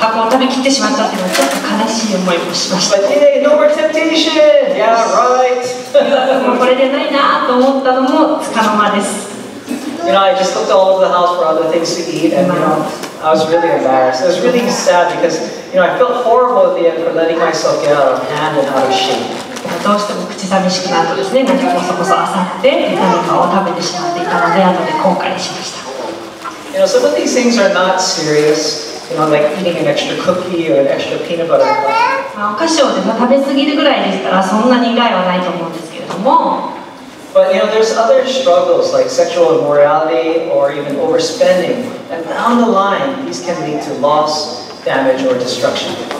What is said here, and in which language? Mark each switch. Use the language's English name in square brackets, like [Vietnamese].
[Japanese] 課題が全て、できたことは本当に嬉しかったんですけれども、箱を食べきってしまったっていうのはちょっと悲しい思いもしました。 [English] But hey, no more temptation! Yeah, right! [Japanese] これでないなと思ったのも束の間です。 [English] You know, I just looked all over the house for other things to eat and, you know, I was really embarrassed. It was really sad because, you know, I felt horrible at the end for letting myself get out of hand and out of shape. [Japanese] どうしても口寂しくなるとですね、何かこそこそ漁って何かを食べてしまっていたので、後で後悔しました。 [English] You know, some of these things are not serious. You know, like eating an extra cookie or an extra peanut butter. [Japanese] お菓子を食べ過ぎるぐらいでしたら、そんなに害はないと思うんですけれども。 [English] But you know, there's other struggles like sexual immorality or even overspending. And down the line, these can lead to loss, damage, or destruction.